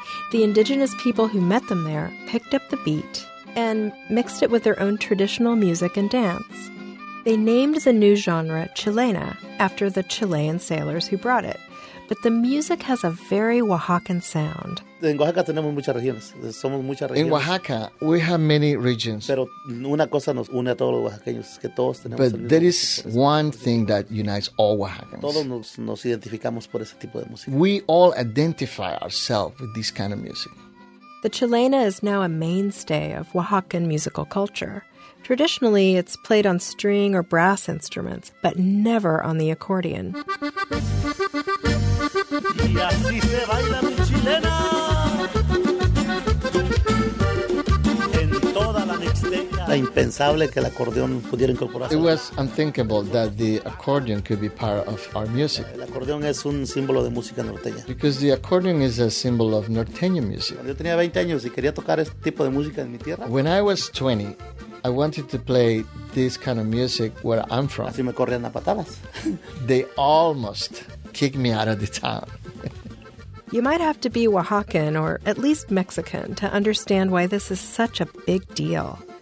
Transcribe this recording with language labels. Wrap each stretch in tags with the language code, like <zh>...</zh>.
<en>The indigenous people who met them there picked up the beat and mixed it with their own traditional music and dance. They named the new genre Chilena after the Chilean sailors who brought it. But the music has a very Oaxacan sound.</en> <es>En Oaxaca tenemos muchas regiones. Somos muchas regiones.</es> <en>In Oaxaca, we have many regions.</en> <es>Pero una cosa nos une a todos los oaxaqueños, que todos tenemos.</es> <en>But there is one thing that unites all Oaxacans.</en> <es>Todos nos identificamos por ese tipo de música.</es> <en>We all identify ourselves with this kind of music. The Chilena is now a mainstay of Oaxacan musical culture. Traditionally, it's played on string or brass instruments, but never on the accordion.</en> <es>Y así se baila mi chilena. hasta impensable que el acordeón pudiera incorporarse.</es> <en>It was unthinkable that the accordion could be part of our music.</en> <es>El acordeón es un símbolo de música norteña.</es> <en>Because the accordion is a symbol of Norteño music.</en> <es>Cuando yo tenía 20 años y quería tocar este tipo de música en mi tierra.</es> <en>When I was 20, I wanted to play this kind of music where I'm from.</en> <es>Así me corrían a patadas.</es> <en>They almost kicked me out of the town. You might have to be Oaxacan or at least Mexican to understand why this is such a big deal.</en>